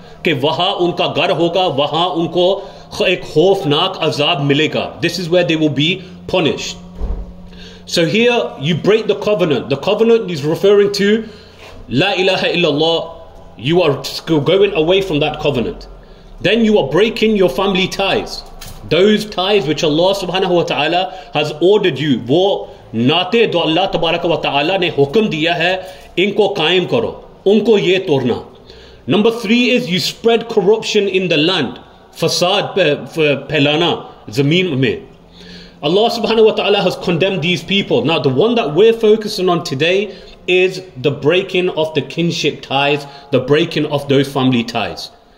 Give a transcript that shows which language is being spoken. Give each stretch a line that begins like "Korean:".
Urdu: کہ وہاں ان کا گھر ہوگا, وہاں ان کو ایک خوفناک عذاب ملے گا.
English: This is where they will be punished. So here you break the covenant. The covenant is referring to La ilaha illallah. You are going away from that covenant. Then you are breaking your family ties. Those ties which Allah subhanahu wa ta'ala has ordered you,
Urdu: وہ ناتے جو اللہ تبارک و تعالی نے حکم دیا ہے, ان کو قائم کرو, ان کو یہ توڑنا.
English: Number three is you spread corruption in the land.
Urdu: Fasad pehlana zameen mein.
English: Allah subhanahu wa ta'ala has condemned these people. Now the one that we're focusing on today is the breaking of the kinship ties, the breaking of those family ties.